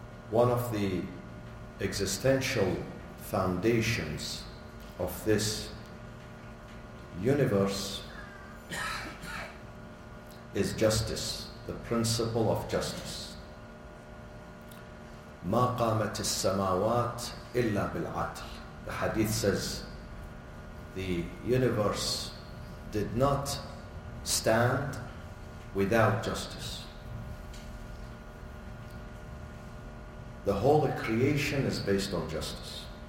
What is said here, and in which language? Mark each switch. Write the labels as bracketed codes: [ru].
[en] One of the existential foundations of this universe is justice, the principle of justice. [ar] ما قامت السماوات إلا بالعدل. [en] The hadith says the universe did not stand without justice. The whole creation is based on justice.